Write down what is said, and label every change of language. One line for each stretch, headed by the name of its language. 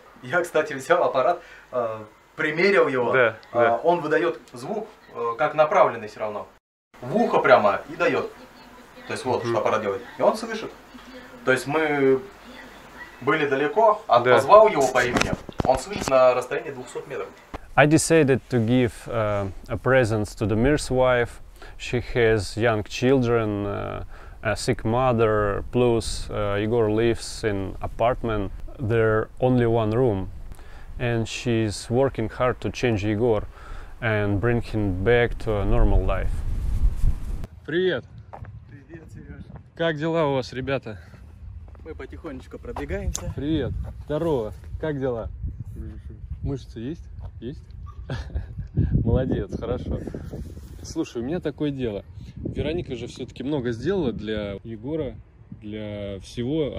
Russian: Я, кстати, взял аппарат... Примерил его, он выдает звук, как направленный все равно, в ухо прямо и дает, то есть вот, что аппарат делает, и он слышит. То есть мы были далеко, а позвал его по имени, он слышит на расстоянии 200 метров.
English: I decided to give a present to the Mir's wife. She has young children, a sick mother, plus Igor lives in apartment, there only one room. And she's working hard to change Igor and bring him back to a normal life.
Russian: Привет. Привет, Сереж. Как дела у вас, ребята? Мы потихонечку продвигаемся. Привет. Здорово. Как дела? Мышцы есть? Есть? Молодец, хорошо. Слушай, у меня такое дело. Вероника же все-таки много сделала для Егора, для всего.